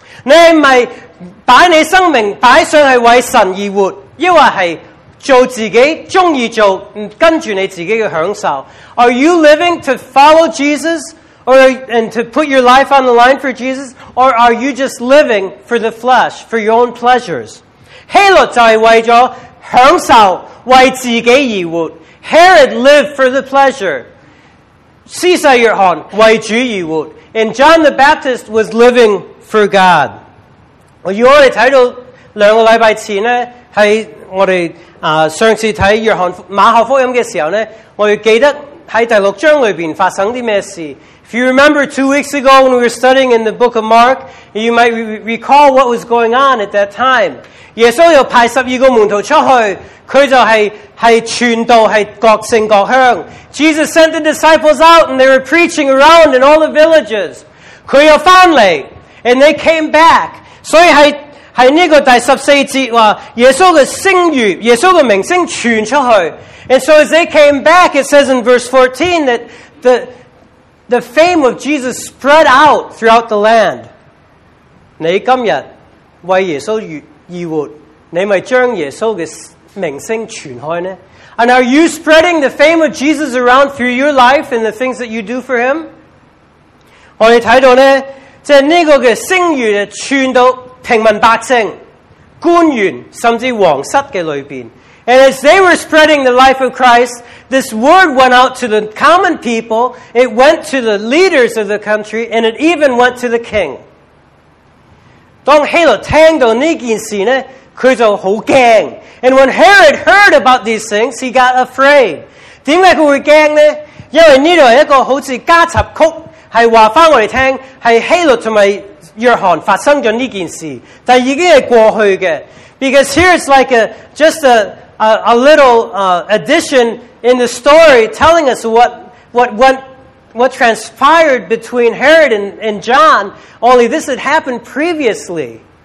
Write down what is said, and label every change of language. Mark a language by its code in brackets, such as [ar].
[yue] 你系咪摆你生命摆上系为神而活，抑或系做自己中意做，跟住你自己嘅享受？ [en] Are you living to follow Jesus and to put your life on the line for Jesus? Or are you just living for the flesh, for your own pleasures? [yue] 希律就系为咗享受，为自己而活。 [en] Herod lived for the pleasure. [yue] 施洗约翰为主而活。 [en] And John the Baptist was living for God. [yue] 如果你睇到两个礼拜前呢，喺我哋上次睇约翰马可福音嘅时候呢，我哋记得喺第六章里面发生啲咩事。 [en] If you remember 2 weeks ago when we were studying in the book of Mark, you might recall what was going on at that time. [yue] 耶稣又派十二个门徒出去，佢就系传道，系各姓各乡。 [en] Jesus sent the disciples out and they were preaching around in all the villages. [yue] 佢又翻嚟 [en] and they came back. [yue] 所以喺呢个第十四节话，耶稣嘅声誉，耶稣嘅名声传出去。 [en] And so as they came back, it says in verse 14 that the fame of Jesus spread out throughout the land. [yue] 你今日为耶稣而活，你咪将耶稣嘅名声传开呢？ [en] And are you spreading the fame of Jesus around through your life and the things that you do for him? [yue] 我哋睇到呢，即系呢个嘅声誉传到平民百姓、官员甚至皇室嘅里边。 [en] And as they were spreading the life of Christ, this word went out to the common people, it went to the leaders of the country, and it even went to the king. [yue] 当希律听到呢件事呢，佢就好惊。 [en] And when Herod heard about these things, he got afraid. [yue] 点解佢会惊呢？因为呢度系一个好似加插曲，系话翻我哋听，系希律同埋约翰发生咗呢件事，但已经系过去嘅。 [en] Because here it's like a little addition in the story telling us what transpired between Herod and John, only this had happened previously.